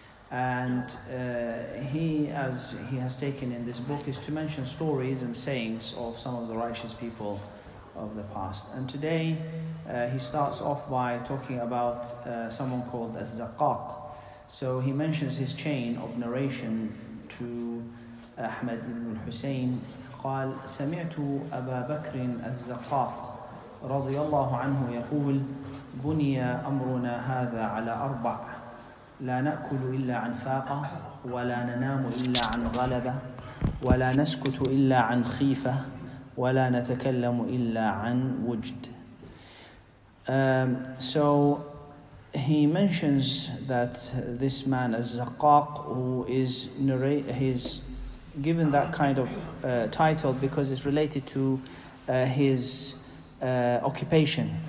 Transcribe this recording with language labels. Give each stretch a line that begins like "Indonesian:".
English: And he, as he has taken in this book, is to mention stories and sayings of some of the righteous people of the past. And today he starts off by talking about someone called Az-Zaqqaq. So he mentions his chain of narration to Ahmad ibn al-Husayn.
Arabic: قال سمعت أبا بكر الزقاق رضي الله عنه يقول بني أمرنا هذا على أربع لا نأكل إلا عن فاقة ولا ننام إلا عن غلبة ولا نسكت إلا عن خيفة ولا نتكلم إلا عن وجد.
English: So he mentions that this man Az-Zaqqaq, who is his given that kind of title because it's related to his occupation.